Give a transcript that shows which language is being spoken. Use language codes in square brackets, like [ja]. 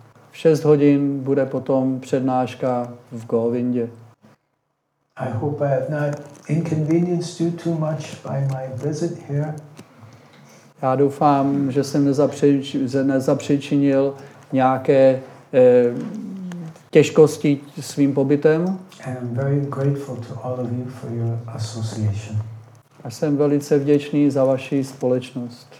[cs] V 6 hodin bude potom přednáška v Govindě. [en] I hope I have not inconvenienced you too much by my visit here. [cs] Já doufám, že jsem nezapřičinil nějaké těžkosti svým pobytem. [en] I'm very grateful to all of you for your association. [cs] A jsem velice vděčný za vaši společnost.